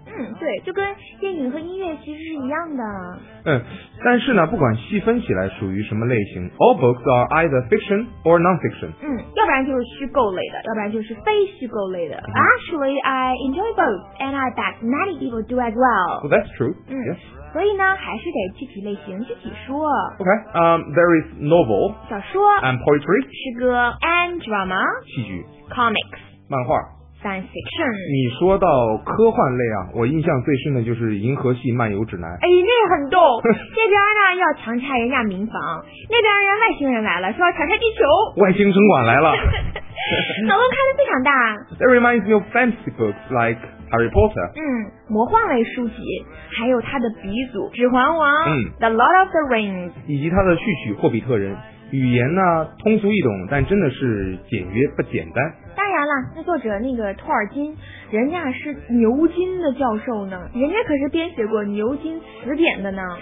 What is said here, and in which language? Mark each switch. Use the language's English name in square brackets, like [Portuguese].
[Chinese] 嗯，对，就跟电影和音乐其实是一样的。嗯，但是呢，不管细分起来属于什么类型 ， [English] all books are either fiction or non-fiction. [Chinese] 嗯，要不然就是虚构类的，要不然就是非虚构类的。嗯、 [English] Actually, I enjoy both, and I bet many people do as well. Well, that's true.、嗯、 yes. [Chinese] 所以呢，还是得具体类型具体说。 [English] OK, there is novel, [Chinese] 小说 [English] ，and poetry, [Chinese] 诗歌 [English] ，and drama, [Chinese] 戏剧 [English] ，comics, [Chinese] 漫画 [English] ，science fiction。 [Chinese] 你说到科幻类啊，我印象最深的就是《银河系漫游指南》。哎，那很逗，这边呢要强拆人家民房，那边人外星人来了，说要强拆地球。外星城管来了，脑洞开的非常大。 [English] That reminds me of fantasy books like. Harry Potter. [Chinese] 嗯，魔幻类书籍，还有他的鼻祖《指环王》。嗯， [English] 《The Lord of the Rings》。 [Chinese] 以及他的序曲《霍比特人》，语言呢通俗易懂，但真的是简约不简单。当然了，那作者那个托尔金，人家是牛津的教授呢，人家可是编写过牛津词典的呢。